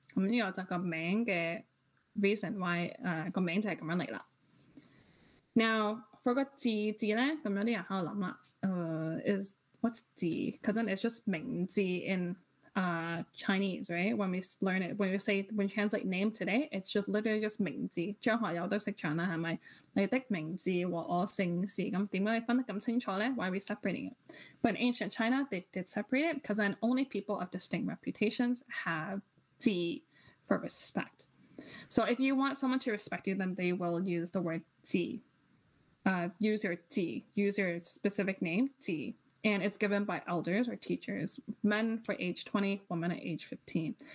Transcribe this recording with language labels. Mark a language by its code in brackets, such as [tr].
[en] Now, for 个字字呢, is what's 字? Because then it's just 名字 in Chinese, right? When we learn it, when we say, when you translate name today, it's just literally just 名字. [yue] 張學友都識唱啦，係咪？你的名字和我姓氏，咁點解你分得咁清楚呢？ [en] Why are we separating it? But in ancient China, they did separate it because then only people of distinct reputations have 字 for respect. So if you want someone to respect you, then they will use the word 字. Use your 字, use your specific name 字.And it's given by elders or teachers, men for age 20, women at age 15.